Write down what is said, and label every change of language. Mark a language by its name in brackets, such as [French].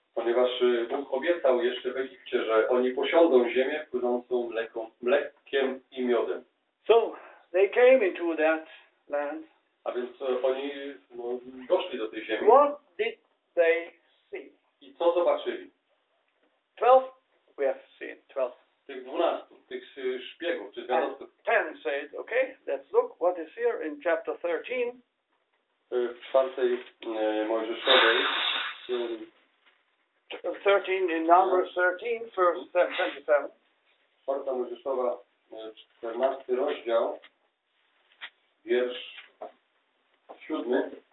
[Polish] Ponieważ Bóg obiecał jeszcze w Egipcie, że oni posiądą ziemię płynącą mlekiem i miodem. [English] So they came into that land. [Polish] A więc oni doszli do tej ziemi. [English] What did they see? [Polish] I co zobaczyli? [English] 12. [Polish] Tych 12, tych szpiegów, czy zwiadowców. [English] Said, okay, let's look what is here in chapter 13. [Polish] W czwartej Mojżeszowej. [English] 13 in Numbers 13, verse 27. [Polish] Czwarta Mojżeszowa, 14 rozdział, wiersz 7.